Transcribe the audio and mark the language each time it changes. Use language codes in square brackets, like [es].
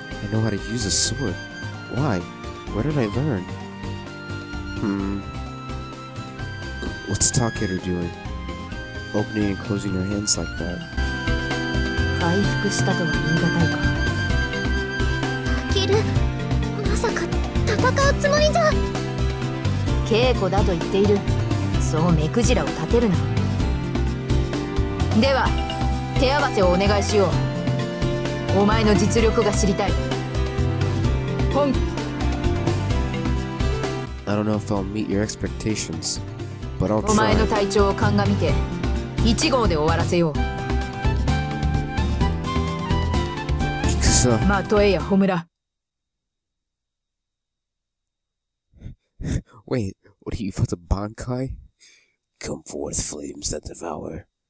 [en] I know how to use a sword. Why? Where did I learn? What's Takeru doing? Opening and closing her hands like that. [ja] 回復したとは言い難いか。アキル、まさか戦うつもりじゃ。稽古だと言っている。そう目くじらを立てるな。では手合わせをお願いしよう。お前の実力が知りたい。本気。 [en] I don't know if I'll meet your expectations, but I'll try. [ja] お前の体調を鑑みて、一号で終わらせよう。キクサ。まとえや、ホムラ。 [en] Wait, what are you for the Bankai? Come forth, flames that devour.